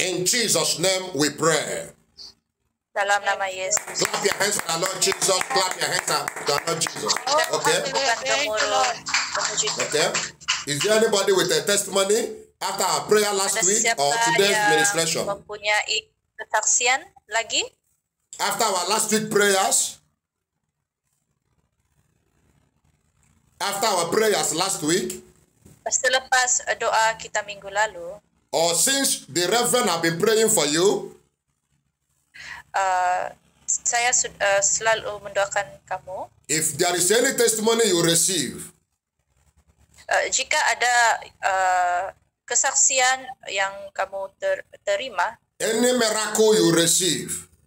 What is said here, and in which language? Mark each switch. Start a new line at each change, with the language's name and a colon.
English: In Jesus' name we pray.
Malay: Dalam nama Yesus.
English: Clap your hands to the Lord Jesus. Clap your hands to the Lord Jesus. Okay. Is there anybody with a testimony after our prayer last week or today's ministration?
Malay: Mempunyai kesaksian lagi?
English: After our last week prayers? After our prayers last week?
Malay: Selepas doa kita minggu lalu?
English: Or since the Reverend have been praying for you?
Malay: Saya selalu mendoakan kamu.
English: If there is any testimony you receive,
Malay: jika ada kesaksian yang kamu terima,
English: any miracle you receive,